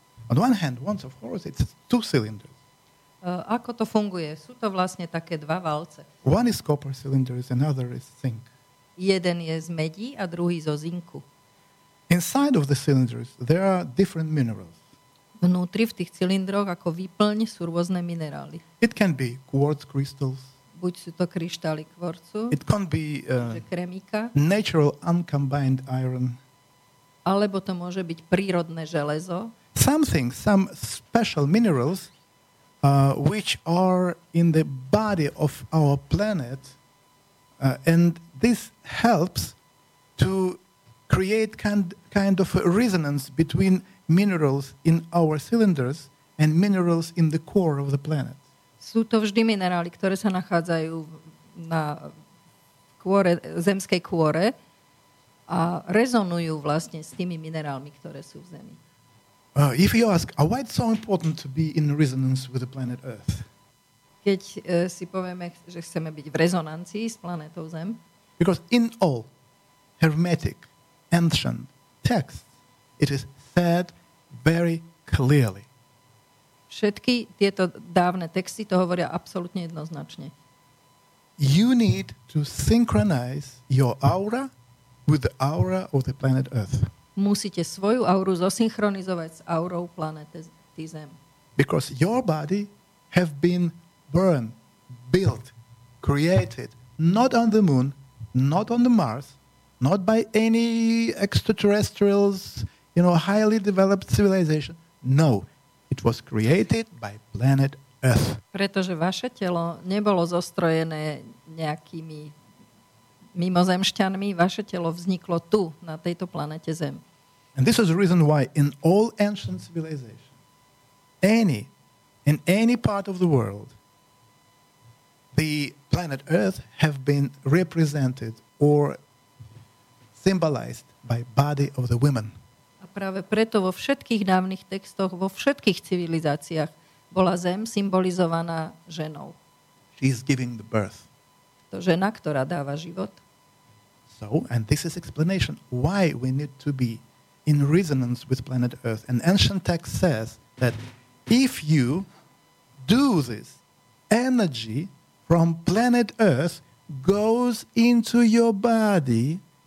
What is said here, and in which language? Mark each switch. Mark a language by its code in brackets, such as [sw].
[en] On one hand, wands of Horus, it's two cylinders. [sk] Ako to funguje? Sú to vlastne také dva valce. [en] One is copper cylinder, another is zinc. [sk] Jeden je z medí a druhý zo zinku. [en] Inside of the cylinders there are different minerals. [sk] Vnútri v tých cylindroch ako výplň sú rôzne minerály. [en] It can be quartz crystals. [sk] Buď sú to kryštály kvorcu. [en] It can be [sk] kremika. [en] Natural uncombined iron. [sk] Alebo to môže byť prírodné železo. [en] Something, some special minerals which are in the body of our planet and this helps to create kind of a resonance between minerals in our cylinders and minerals in the core of the planet. [sk] Sú to vždy minerály, ktoré sa nachádzajú na kôre, zemskej kôre a rezonujú vlastne s tými minerálmi, ktoré sú v zemi. [en] If you ask, why it's so important to be in resonance with the planet Earth? [sk] Keď si povieme, že chceme byť v rezonancii s planetou Zem. [en] Because in all hermetic, ancient texts, it is said very clearly. [sk] Všetky tieto dávne texty to hovoria absolútne jednoznačne. [en] You need to synchronize your aura with the aura of the planet Earth. [sk] Musíte svoju auru zosynchronizovať s aurou planety Zem. [en] Because your body have been born, built, created not on the moon, not on the Mars, not by any extraterrestrials, you know, highly developed civilization. No, it was created by planet Earth. [sk] Pretože vaše telo nebolo zostrojené nejakými mimozemšťanmi, vaše telo vzniklo tu na tejto planete Zem. [en] And this is the reason why in all ancient civilizations, in any part of the world, the planet Earth have been represented or symbolized by body of the women. [sk] A práve preto vo všetkých dávnych textoch, vo všetkých civilizáciách bola Zem symbolizovaná ženou. [en] She is giving the birth. [sk] To žena, ktorá dáva život. [en] So, and this is explanation why we need to be in resonance with planet Earth. An ancient text says that if you do this, energy from planet Earth goes into your body.